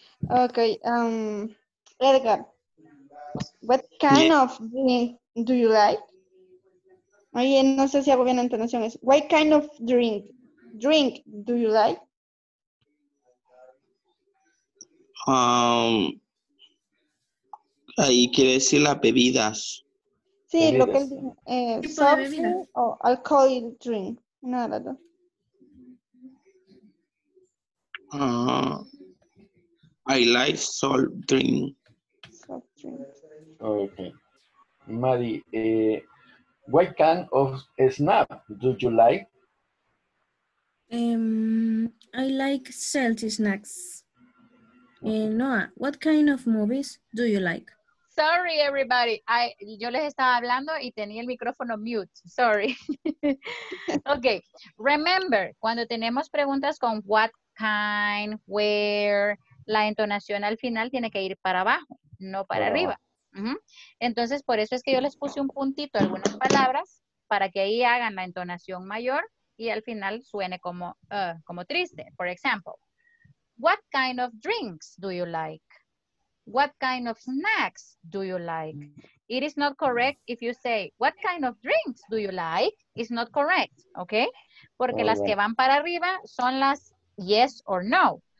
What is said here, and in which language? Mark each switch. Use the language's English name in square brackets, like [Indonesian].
[English] Okay, Edgar, what kind of drink do you like? [Spanish] Oye, no sé si hago bien la entonación. [English] What kind of drink do you like? [Spanish] Ahí quiere decir las bebidas. Sí, bebidas. Lo que es [English] soft drink [Spanish] o [English] alcohol drink, [Spanish] nada más. [English] I like salt drink. Salt drink. Okay. Mari, what kind of snack do you like? I like salty snacks. Noah, what kind of movies do you like? Sorry, everybody. [Spanish] Yo les estaba hablando y tenía el micrófono mute. [English] Sorry. Okay. Remember, [Spanish] cuando tenemos preguntas con what kind, where, la entonación al final tiene que ir para abajo, no para arriba. Entonces, por eso es que yo les puse un puntito a algunas palabras para que ahí hagan la entonación mayor y al final suene como, como triste. [English] For example, what kind of drinks do you like? What kind of snacks do you like? It is not correct if you say, what kind of drinks do you like? It's not correct, okay? [Spanish] Porque las que van para arriba son las [English] yes or no.